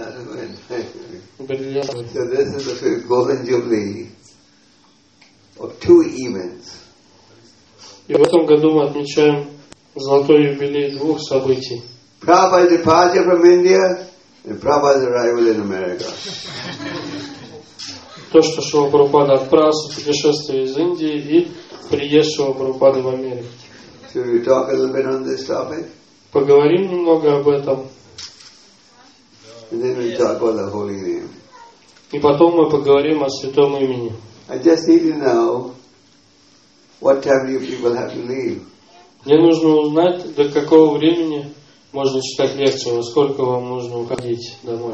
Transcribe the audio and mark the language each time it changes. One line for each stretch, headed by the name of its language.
English: this is a golden jubilee of two events.
Russian: И в этом году мы отмечаем золотой юбилей двух событий.
English: Prabhupada's departure from India and Prabhupada's arrival in America.
Russian: То, что Шрила Прабхупада отправился в путешествие из Индии и приезд Шрила Прабхупады в Америку.
English: Should we talk a little bit on this topic?
Russian: Поговорим немного об этом.
English: And then we'll talk about the holy name.
Russian: И потом мы поговорим о святом имени.
English: I just need to know what time you people have to leave.
Russian: Мне нужно узнать, до какого времени можно читать лекцию, во сколько вам нужно уходить домой.